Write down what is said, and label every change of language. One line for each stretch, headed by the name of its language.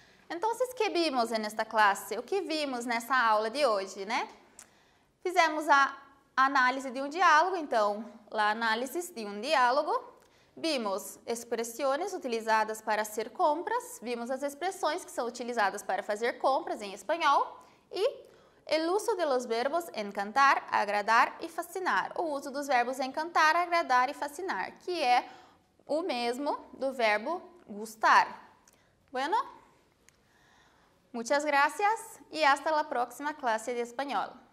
Portuguese: Então, que vimos nesta classe? O que vimos nessa aula de hoje, né? Fizemos a análise de um diálogo, então, la análise de um diálogo. Vimos expressões utilizadas para fazer compras. Vimos as expressões que são utilizadas para fazer compras em espanhol.
Spanish: E el uso de los verbos encantar, agradar e fascinar.
Portuguese: O uso dos verbos encantar, agradar e fascinar, que é o mesmo do verbo gustar.
Spanish: Bueno? Muchas gracias y hasta la próxima clase de español.